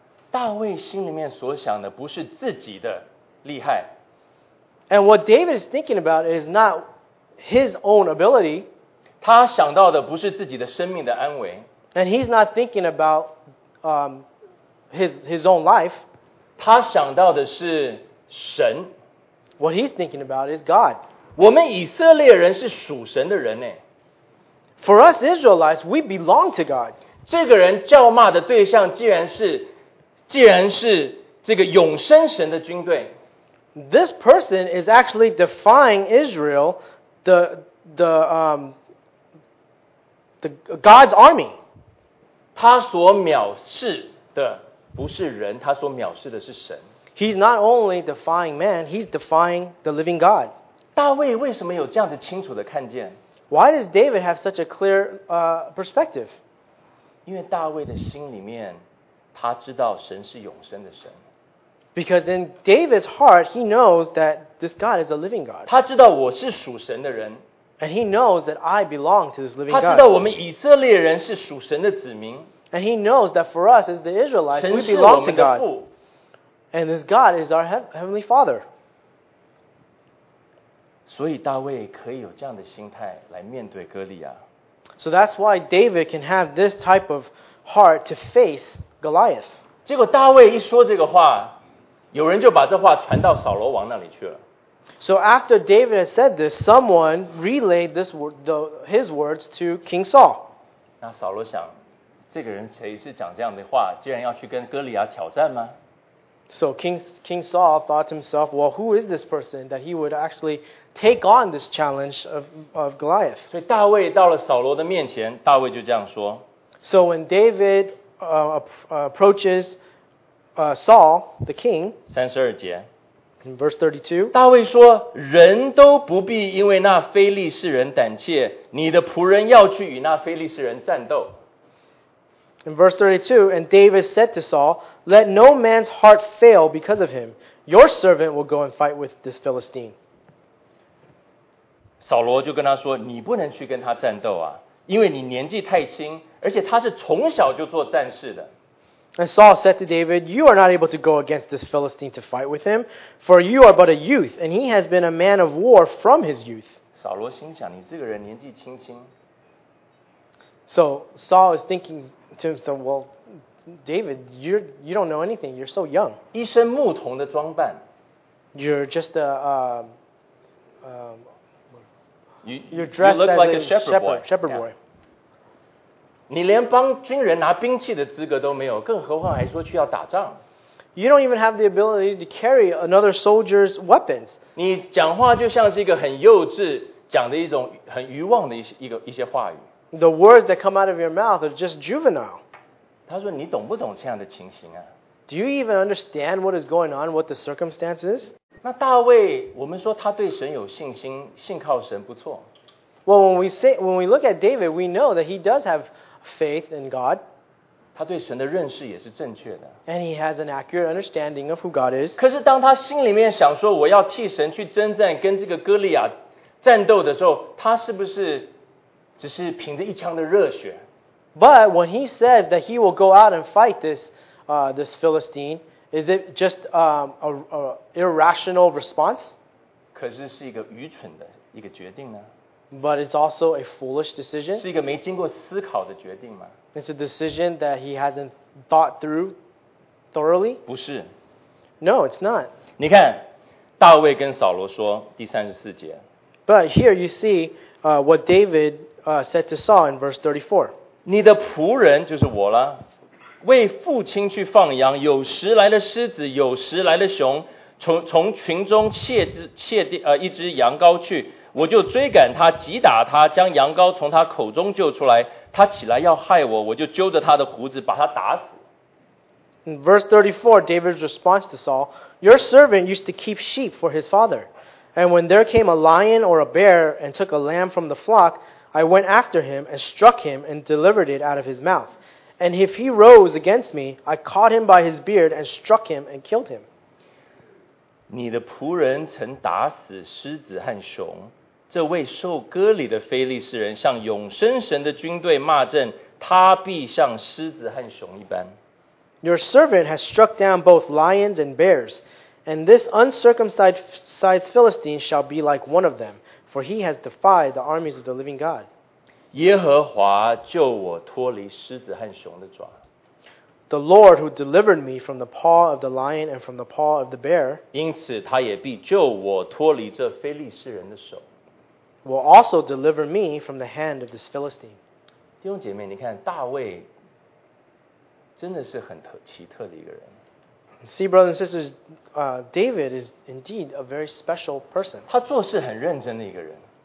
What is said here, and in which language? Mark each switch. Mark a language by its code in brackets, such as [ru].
[zh] 大卫心里面所想的不是自己的厉害。 [en] And what David is thinking about is not his own ability. [zh] 他想到的不是自己的生命的安危。 [en] And he's not thinking about his own life. [zh] 他想到的是神。 [en] What he's thinking about is God. [zh] 我们以色列人是属神的人呢。 [en] For us Israelites, we belong to God. [zh] 这个人叫骂的对象既然是这个永生神的军队。 [en] This person is actually defying Israel, the God's army. [zh] 他所藐视的不是人，他所藐视的是神。 [en] He's not only defying man, he's defying the living God. [zh] 大卫为什么有这样子清楚的看见？ [en] Why does David have such a clear perspective? [zh] 因为大卫的心里面，他知道神是永生的神。 [en] Because in David's heart, he knows that this God is a living God. [zh] 他知道我是属神的人。 [en] And he knows that I belong to this living God. [zh] 他知道我们以色列人是属神的子民。 [en] And he knows that for us as the Israelites, we belong to God. And this God is our Heavenly Father. [zh] 所以大卫可以有这样的心态来面对哥利亚。 [en] So that's why David can have this type of heart to face Goliath. [zh] 结果大卫一说这个话，有人就把这话传到扫罗王那里去了。 [en] So after David had said this, someone relayed this his words to King Saul. [zh] 那扫罗想，这个人谁是讲这样的话，竟然要去跟哥利亚挑战吗？ [en] So King Saul thought to himself, well, who is this person that he would actually take on this challenge of Goliath? [zh] 所以大卫到了扫罗的面前，大卫就这样说。 [en] So when David approaches Saul, the king, [zh] 32节 [en] in verse 32, [zh] 大卫说，人都不必因为那非利士人胆怯，你的仆人要去与那非利士人战斗。 [en] In verse 32, and David said to Saul, Let no man's heart fail because of him. Your servant will go and fight with this Philistine. [zh] 扫罗就跟他说，你不能去跟他战斗啊，因为你年纪太轻，而且他是从小就做战士的。 [en] And Saul said to David, You are not able to go against this Philistine to fight with him, for you are but a youth, and he has been a man of war from his youth. [zh] 扫罗心想，你这个人年纪轻轻。 [en] So Saul is thinking... To himself, well, David, you don't know anything. You're so young. [zh] 一身牧童的装扮。 [en] You're just a... You're dressed you look like a shepherd boy. [zh] 你连帮军人拿兵器的资格都没有，更何况还说去要打仗。 [en] You don't even have the ability to carry another soldier's weapons. [zh] 你讲话就像是一个很幼稚，讲的一种很愚妄的一些话语。 [en] The words that come out of your mouth are just juvenile. [zh] 他说你懂不懂这样的情形啊？ [en] Do you even understand what is going on, what the circumstance is? [zh] 那大卫，我们说他对神有信心，信靠神不错。 [en] Well, when we look at David, we know that he does have faith in God. [zh] 他对神的认识也是正确的。 [en] And he has an accurate understanding of who God is. [zh] 可是当他心里面想说我要替神去征战跟这个哥利亚战斗的时候，他是不是只是凭着一腔的热血？ [en] But when he said that he will go out and fight this Philistine, is it just an irrational response? [zh] 可是是一个愚蠢的一个决定呢？ [en] But it's also a foolish decision. [zh] 是一个没经过思考的决定吗？ [en] It's a decision that he hasn't thought through thoroughly. [zh] 不是。 [en] No, it's not. [zh] 你看，大卫跟扫罗说，第三十四节。 [en] But here you see what David said to Saul in verse 34. [zh] 你的仆人就是我了，为父亲去放羊，有时来了狮子，有时来了熊，从群中一只羊羔去。我就追赶他，击打他，将羊羔从他口中救出来。他起来要害我，我就揪着他的胡子把他打死。 [en] In verse 34, David's response to Saul, "Your servant used to keep sheep for his father, and when there came a lion or a bear and took a lamb from the flock, I went after him and struck him and delivered it out of his mouth. And if he rose against me, I caught him by his beard and struck him and killed him." [zh] 你的仆人曾打死狮子和熊。这位受割礼的非利士人向永生神的军队骂阵，他必像狮子和熊一般。 [en] Your servant has struck down both lions and bears, and this uncircumcised Philistine shall be like one of them, for he has defied the armies of the living God. [zh] 耶和华救我脱离狮子和熊的爪。 [en] The Lord who delivered me from the paw of the lion and from the paw of the bear. [zh] 因此他也必救我脱离这非利士人的手。 [en] Will also deliver me from the hand of this Philistine. [zh] 弟兄姐妹，你看大卫真的是很奇特的一个人。 [en] See, brothers and sisters, David is indeed a very special person. [zh] 他做事很认真的一个人。